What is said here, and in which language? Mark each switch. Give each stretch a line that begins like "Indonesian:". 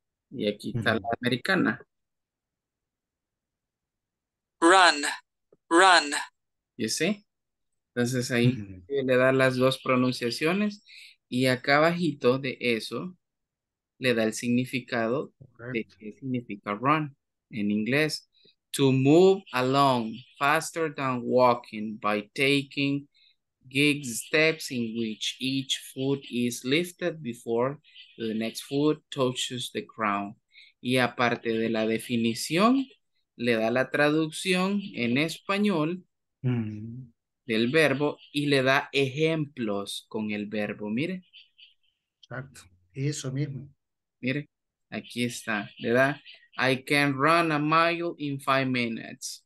Spanish: Y aquí está la americana.
English: Run. Run. You see?
Spanish: Entonces ahí le da las dos pronunciaciones y acá abajito de eso le da el significado de Correcto. qué significa run en inglés.
English: To move along faster than walking by taking big steps in which each foot is lifted before the next foot touches the ground.
Spanish: Y aparte de la definición, le da la traducción en español del verbo y le da ejemplos con el verbo. Mire. Exacto, eso mismo. Mire, aquí está. Le da,
English: I can run a mile in 5 minutes.